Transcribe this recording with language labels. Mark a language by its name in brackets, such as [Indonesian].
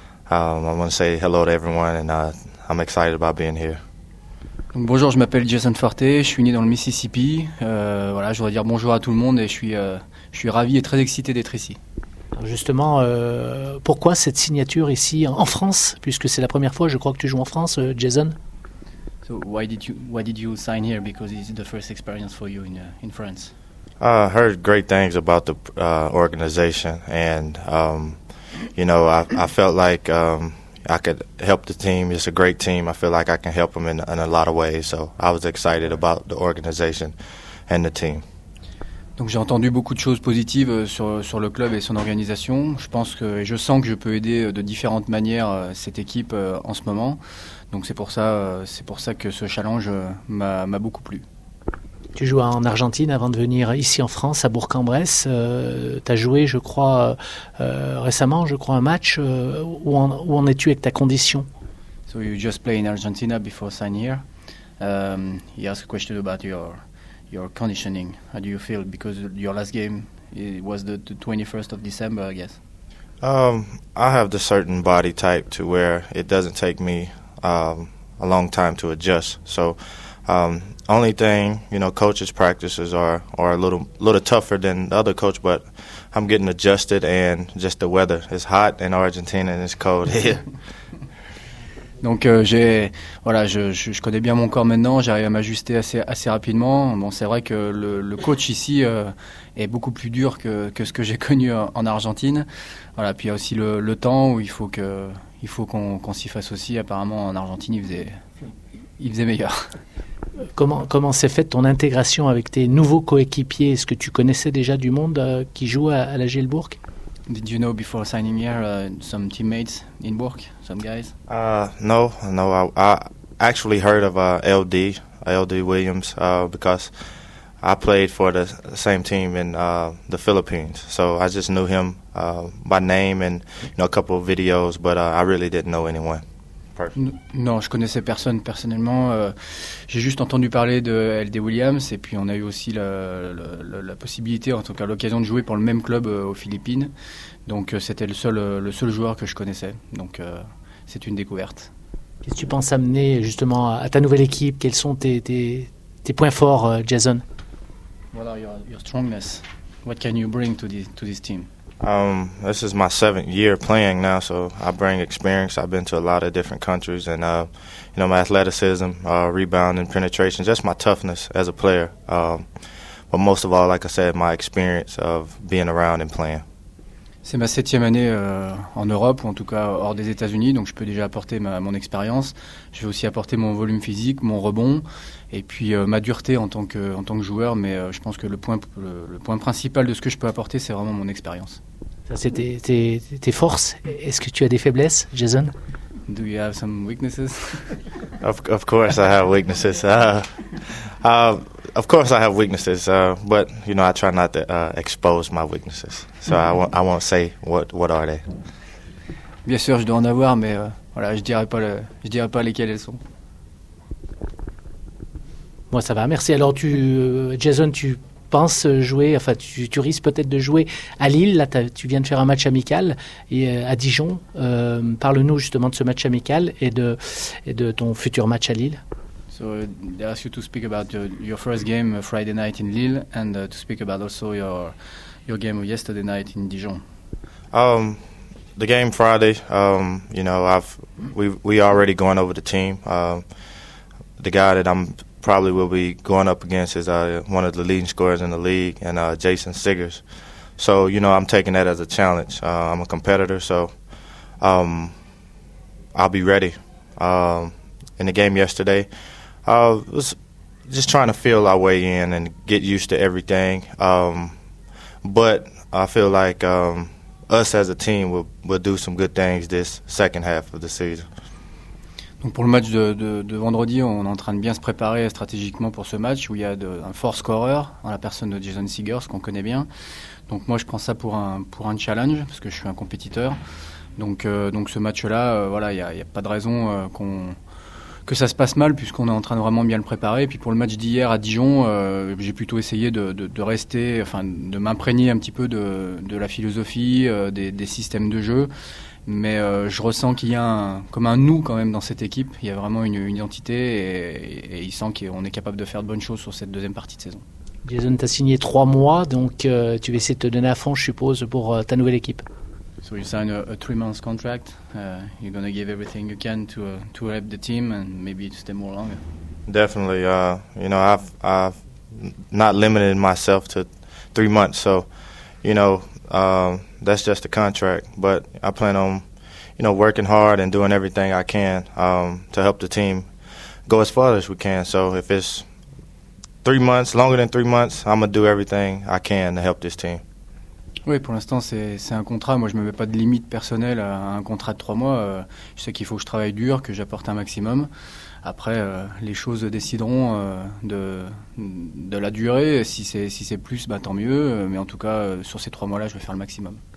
[English] I want to say hello to everyone and I'm excited about being here. [French] Donc, bonjour, je m'appelle Jason Forte, je suis né dans le Mississippi. Voilà, je voudrais dire bonjour à tout le monde et je suis ravi et très excité d'être ici. Justement, pourquoi cette signature ici en France, puisque c'est la première fois, je crois, que tu joues en France, Jason? [English] So why did you sign here? Because it's the first experience for you in France. I heard great things about the organization, and you know, I felt like I could help the team. It's a great team. I feel like I can help them in a lot of ways. So I was excited about the organization and the team. [French] Donc j'ai entendu beaucoup de choses positives sur le club et son organisation. Je sens que je peux aider de différentes manières cette équipe en ce moment. Donc c'est pour ça que ce challenge m'a beaucoup plu. Tu joues en Argentine avant de venir ici en France, à Bourg-en-Bresse. Tu as joué, je crois, récemment, je crois, un match. Où en es-tu avec ta condition? [English] So you just play in Argentina before signing here. He asked a question about your conditioning. How do you feel? Because your last game, it was the 21st of December, I guess. I have the certain body type to where it doesn't take me a long time to adjust. So only thing, you know, coaches' practices are a little tougher than the other coach, but I'm getting adjusted and just the weather. It's hot in Argentina and it's cold here. [French] Donc je connais bien mon corps maintenant, j'arrive à m'ajuster assez rapidement. Bon, c'est vrai que le coach ici est beaucoup plus dur que ce que j'ai connu en Argentine. Voilà, puis il y a aussi le temps où il faut qu'on s'y fasse aussi. Apparemment en Argentine il faisait meilleur. Comment s'est faite ton intégration avec tes nouveaux coéquipiers? Est-ce que tu connaissais déjà du monde qui joue à la Gielbourg? [English] Did you know before signing here some teammates in Bourg, some guys? No. I actually heard of LD Williams because I played for the same team in the Philippines. So I just knew him by name and, you know, a couple of videos, but I really didn't know anyone. [French] Non, je connaissais personne personnellement. J'ai juste entendu parler de LD Williams et puis on a eu aussi la possibilité, en tout cas l'occasion, de jouer pour le même club aux Philippines. Donc c'était le seul joueur que je connaissais. Donc c'est une découverte. Qu'est-ce que tu penses amener justement à ta nouvelle équipe? Quels sont tes points forts, Jason? [English] What are your strongness? What can you bring to this team? This is my seventh year playing now, so I bring experience. I've been to a lot of different countries, and you know, my athleticism, rebounding, penetration, just my toughness as a player. But most of all, like I said, my experience of being around and playing. [French] C'est ma septième année en Europe, ou en tout cas hors des États-Unis, donc je peux déjà apporter mon expérience. Je vais aussi apporter mon volume physique, mon rebond, et puis ma dureté en tant que joueur, mais je pense que le point principal de ce que je peux apporter, c'est vraiment mon expérience. Ça, c'est tes forces. Est-ce que tu as des faiblesses, Jason? [English] Do you have some weaknesses? Of course I have weaknesses. Of course I have weaknesses, but you know, I try not to expose my weaknesses. So I won't say what are they. [French] Bien sûr, je dois en avoir, mais voilà, je dirai pas lesquelles elles sont. Moi, ça va, merci. Alors Jason, tu penses jouer, enfin tu risques peut-être de jouer à Lille, là tu viens de faire un match amical et à Dijon. Parle-nous justement de ce match amical et de ton futur match à Lille. [English] So they ask you to speak about your first game Friday night in Lille and to speak about also your game of yesterday night in Dijon. The game Friday, you know, we already going over the team. The guy that I'm probably will be going up against is one of the leading scorers in the league, and Jason Siggers. So, you know, I'm taking that as a challenge. I'm a competitor, so I'll be ready. In the game yesterday, I was just trying to feel our way in and get used to everything. But I feel like us as a team will do some good things this second half of the season. [French] Donc pour le match de vendredi, on est en train de bien se préparer stratégiquement pour ce match où il y a un fort scoreur en la personne de Jason Siggers, qu'on connaît bien. Donc moi, je prends ça pour un challenge parce que je suis un compétiteur. Donc ce match-là, voilà, y a pas de raison que ça se passe mal, puisqu'on est en train de vraiment bien le préparer. Et puis pour le match d'hier à Dijon, j'ai plutôt essayé de rester, enfin, de m'imprégner un petit peu de la philosophie, des systèmes de jeu. Mais je ressens qu'il y a comme un nous quand même dans cette équipe. Il y a vraiment une identité et il sent qu'on est capable de faire de bonnes choses sur cette deuxième partie de saison. Jason, tu as signé 3 mois, donc tu vas essayer de te donner à fond, je suppose, pour ta nouvelle équipe. [English] So you sign a 3-month contract. You're going to give everything you can to help the team and maybe to stay more longer. Definitely. You know, I've not limited myself to 3 months. So, you know, that's just a contract. But I plan on, you know, working hard and doing everything I can to help the team go as far as we can. So if it's 3 months, longer than 3 months, I'm going to do everything I can to help this team. [French] Oui, pour l'instant, c'est un contrat. Moi, je ne me mets pas de limite personnelle à un contrat de 3 mois. Je sais qu'il faut que je travaille dur, que j'apporte un maximum. Après, les choses décideront de la durée. Si c'est plus, bah, tant mieux. Mais en tout cas, sur ces 3 mois-là, je vais faire le maximum.